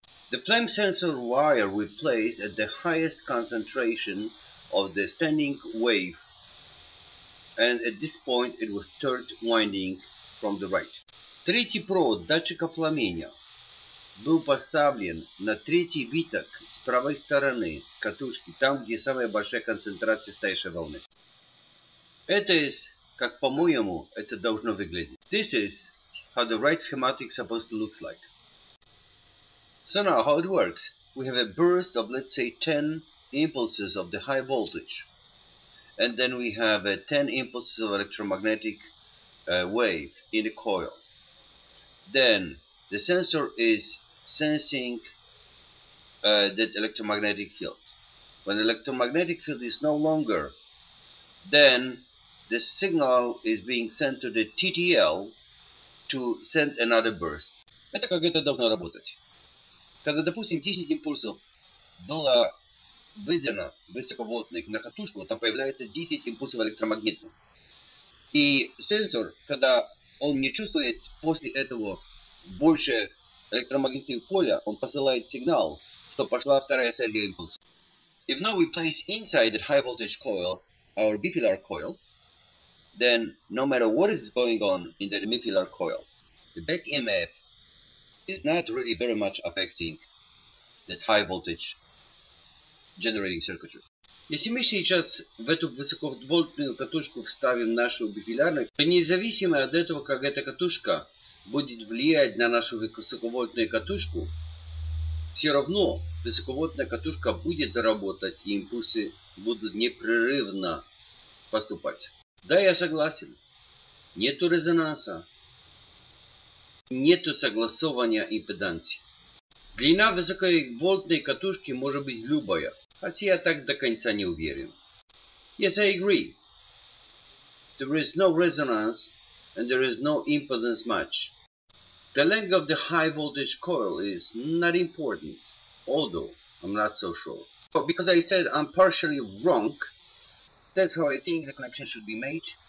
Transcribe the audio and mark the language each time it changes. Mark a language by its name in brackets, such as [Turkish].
[English] The flame sensor wire we place at the highest concentration of the standing wave, and at this point it was third winding from the right. [Russian] Третий провод датчика пламени. был поставлен на третий виток с правой стороны катушки, там, где самая большая концентрация стоящей волны. Это из, как по-моему, это должно выглядеть. [English] This is how the right schematic supposed to look like. So now, how it works. We have a burst of, let's say, 10 impulses of the high voltage. And then we have 10 impulses of electromagnetic wave in the coil. Then the sensor is sensing that electromagnetic field. When the electromagnetic field is no longer, then the signal is being sent to the TTL to send another burst. [Russian] Это как это должно работать. Когда, допустим, 10 импульсов было выдано высоковольтных на катушку, там появляется 10 импульсов электромагнитных. И сенсор, когда он не чувствует после этого больше электромагнитного поля, он посылает сигнал, что пошла вторая серия импульсов. [English] If now we place inside the high voltage coil our bipolar coil, then no matter what is going on in the bipolar coil, the back EMF is not really very much affecting that high voltage generating circuitry. [Russian] Если мы сейчас в эту высоковольтную катушку вставим нашу бипиларную, то независимо от этого, как эта катушка будет влиять на нашу высоковольтную катушку, все равно высоковольтная катушка будет заработать, и импульсы будут непрерывно поступать. Да, я согласен. Нету резонанса. Нету согласования импеданции. Длина высоковольтной катушки может быть любая. Хотя я так до конца не уверен. [English] Yes, I agree. There is no resonance and there is no impedance match. The length of the high voltage coil is not important. Although, I'm not so sure. But because I said I'm partially wrong, that's how I think the connection should be made.